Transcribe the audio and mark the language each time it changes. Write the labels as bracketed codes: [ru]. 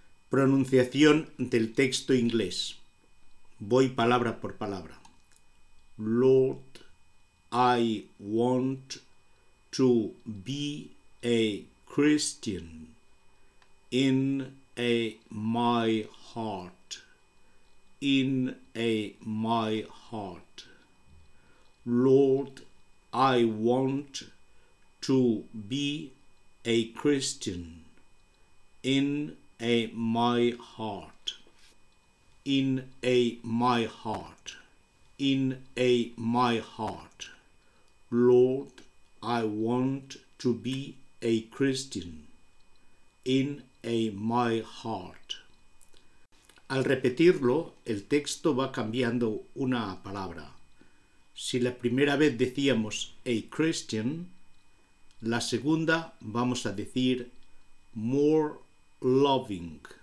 [es] Pronunciación del texto inglés. Voy palabra por palabra. [en] Lord, I want to be a Christian in a my heart. In a my heart. Lord, I want to be a Christian in a my heart, in a my heart, in a my heart. Lord, I want to be a Christian in a my heart. [es] Al repetirlo, el texto va cambiando una palabra. Si la primera vez decíamos [en] a Christian, [es] la segunda vamos a decir [en] more loving.